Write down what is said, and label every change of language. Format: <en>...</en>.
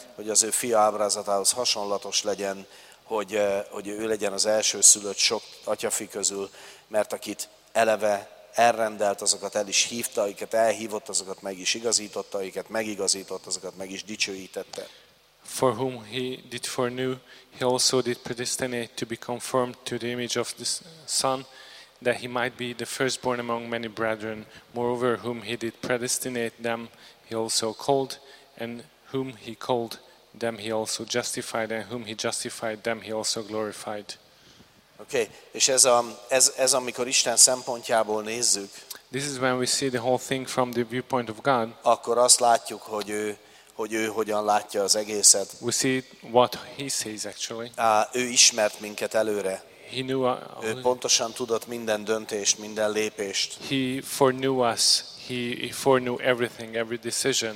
<hu>hogy az ő fia ábrázatához hasonlatos legyen, hogy ő legyen az első szülött sok atyafi közül, mert akit eleve elrendelt, azokat el is hívta, akiket elhívott, azokat meg is igazította, akiket megigazított, azokat meg is dicsőítette.</hu> <en>For whom he did foreknow, he also did predestinate to be conformed to the image of the Son, that he might be the firstborn among many brethren. Moreover, whom he did predestinate, them he also called, and whom he called, them he also justified, and whom he justified, them he also glorified.</en> <hu>Okay, és ez amikor Isten szempontjából nézzük.</hu> <en>This is when we see the whole thing from the viewpoint of God.</en> <hu>Akkor azt látjuk, hogy ő hogyan látja az egészet.</hu> <en>We see what he sees actually.</en> <hu>Ő ismert minket előre.</hu> <en>He knew</en> <hu>ő pontosan tudott minden döntést, minden lépést.</hu> <en>He foreknew us. He foreknew everything, every decision.</en>